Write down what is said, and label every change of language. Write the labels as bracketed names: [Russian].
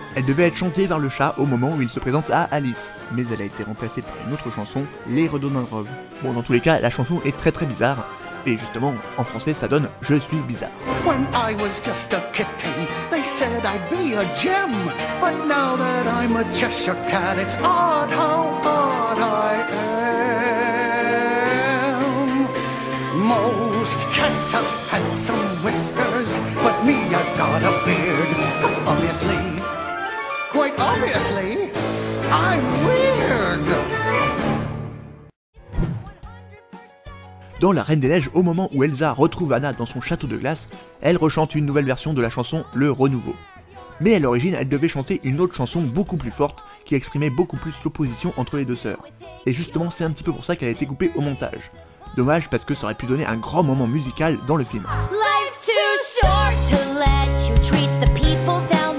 [French] Elle devait être chantée par le chat au moment où il se présente à Alice, mais elle a été remplacée par une autre chanson, Les Redondantes Robes. Bon, dans tous les cas, la chanson est très très bizarre. Et justement, en français, ça donne « Je suis bizarre ». [English] When I was just a kitten, they said I'd be a gem. But now that I'm a Cheshire cat, it's odd how odd I am. Most cats have handsome whiskers, but me, I've got a beard. 'Cause obviously, quite obviously, I'm weird. [French] Dans La Reine des Neiges, au moment où Elsa retrouve Anna dans son château de glace, elle rechante une nouvelle version de la chanson Le Renouveau. Mais à l'origine, elle devait chanter une autre chanson beaucoup plus forte, qui exprimait beaucoup plus l'opposition entre les deux sœurs. Et justement, c'est un petit peu pour ça qu'elle a été coupée au montage. Dommage, parce que ça aurait pu donner un grand moment musical dans le film. [English] Life's too short to let you treat the people down.